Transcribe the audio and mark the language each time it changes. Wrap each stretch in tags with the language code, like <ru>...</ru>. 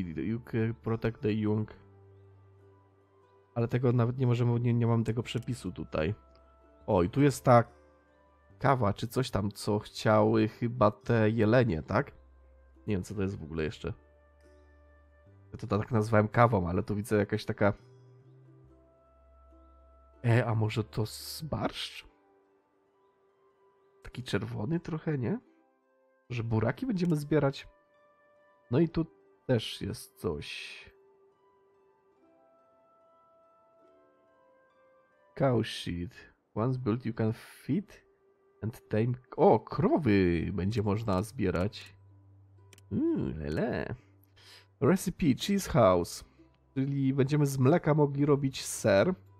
<en>You can protect the young.</en> <pl>Ale tego nawet nie możemy, nie mam tego przepisu tutaj. Oj, tu jest ta kawa, czy coś tam, co chciały chyba te jelenie, tak? Nie wiem, co to jest w ogóle jeszcze. Ja to tak nazwałem kawą, ale tu widzę jakaś taka... a może to barszcz? Taki czerwony trochę, nie? Może buraki będziemy zbierać? No i tu też jest coś...</pl> <en>Cow sheet. Once built you can feed and tame...</en> <pl>O, krowy będzie można zbierać. Lele.</pl> <en>Recipe, cheese house.</en> <pl>Czyli będziemy z mleka mogli robić ser.</pl>